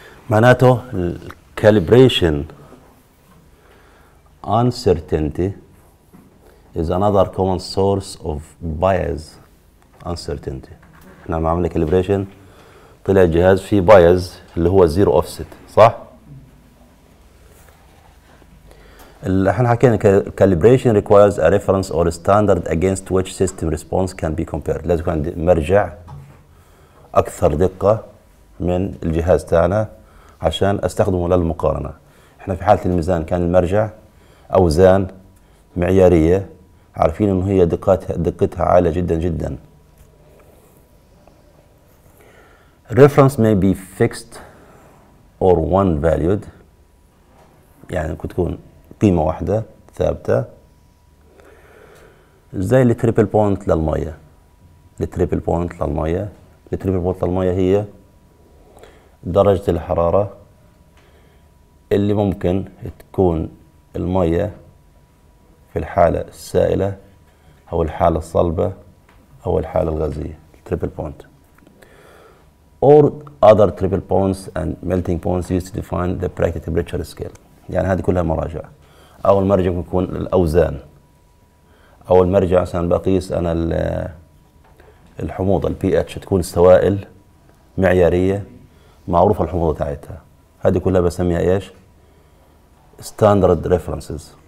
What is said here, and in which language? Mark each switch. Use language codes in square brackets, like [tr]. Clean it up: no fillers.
[ar] معناته الكاليبريشن [en] uncertainty is another common source of bias uncertainty. [ar] احنا لما عملنا calibration طلع الجهاز فيه bias اللي هو zero offset، صح؟ احنا حكينا [en] calibration requires a reference or a standard against which system response can be compared. [ar] لازم يكون عندي مرجع اكثر دقة من الجهاز تاعنا عشان استخدمه للمقارنة. احنا في حالة الميزان كان المرجع أوزان معيارية، عارفين إنه هي دقتها عالية جدا جدا. [en] Reference may be fixed or one valued، [ar] يعني ممكن تكون قيمة واحدة ثابتة، زي التريبل بوينت للمية. التريبل بوينت للمية، التريبل بوينت للمية هي درجة الحرارة اللي ممكن تكون المية في الحالة السائلة أو الحالة الصلبة أو الحالة الغازية [en] triple point or other triple points and melting points used to define the practical temperature scale. [ar] يعني هذه كلها مراجع. أو المرجع يكون الأوزان أو المرجع عشان بقيس أنا الحموضة الـ pH تكون سوائل معيارية معروفة الحموضة تاعتها. هذه كلها بسميها إيش؟ standard references.